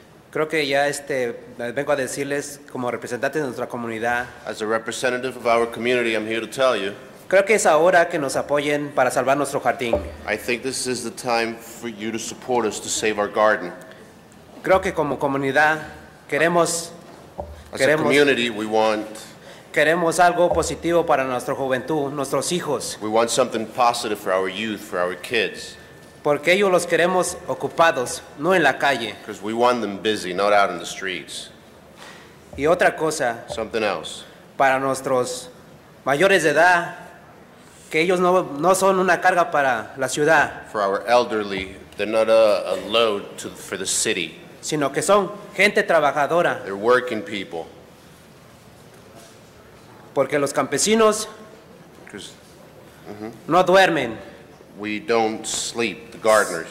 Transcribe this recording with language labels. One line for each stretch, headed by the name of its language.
Spanish: Creo que ya vengo a decirles como representante de nuestra comunidad.
English: As a representative of our community, I'm here to tell you.
Spanish: Creo que es ahora que nos apoyen para salvar nuestro jardín.
English: I think this is the time for you to support us to save our garden.
Spanish: Creo que como comunidad queremos.
English: As a community, we want.
Spanish: Queremos algo positivo para nuestra juventud, nuestros hijos.
English: We want something positive for our youth, for our kids.
Spanish: Porque ellos los queremos ocupados, no en la calle.
English: Because we want them busy, not out in the streets.
Spanish: Y otra cosa.
English: Something else.
Spanish: Para nuestros mayores de edad, que ellos no son una carga para la ciudad.
English: For our elderly, they're not a load for the city.
Spanish: Sino que son gente trabajadora.
English: They're working people.
Spanish: Porque los campesinos no duermen.
English: We don't sleep, the gardeners.